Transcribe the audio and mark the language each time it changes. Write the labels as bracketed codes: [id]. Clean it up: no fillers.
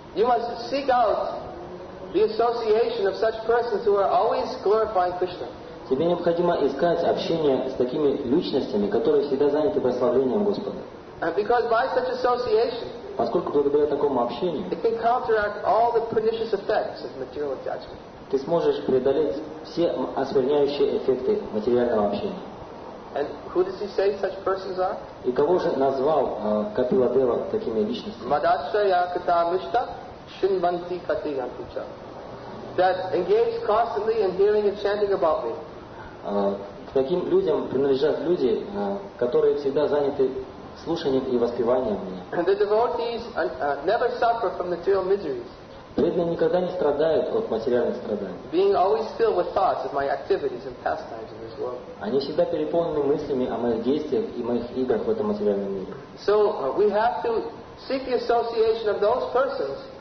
[en] You must seek out the association of such persons who are always glorifying Krishna. [ru] Тебе необходимо искать общение с такими личностями, которые всегда заняты прославлением Господа. [en] Because by such association, [ru] поскольку благодаря такому общению, [en] it can counteract all the pernicious effects of material attachment. [ru] Ты сможешь преодолеть все оскверняющие эффекты материального общения. [en] And who does he say such persons are? [ru] И кого же назвал Капила Дева такими личностями? [sa] Мадашая кита мишта шинванти кати антича. [en] That engage constantly in hearing and chanting about me. [ru] К таким людям принадлежат люди, которые всегда заняты слушанием и воспеванием меня. [en] And the devotees never suffer from material miseries. [ru] Преданные никогда не страдают от материальных страданий. [en] Being always filled with thoughts of my activities and pastimes in this world. [ru] Они всегда переполнены мыслями о моих действиях и моих играх в этом материальном мире. [en] So we have to seek the association of those persons.